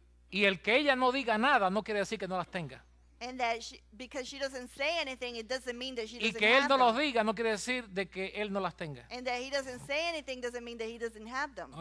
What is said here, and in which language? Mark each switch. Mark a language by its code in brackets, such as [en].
[es] Y el que ella no diga nada no quiere decir que no las tenga. [en] And that she, because she doesn't say anything, it doesn't mean that she doesn't [es] y que él no los diga no quiere decir de que él no las tenga. [en] And that he doesn't say anything doesn't mean that he doesn't have them.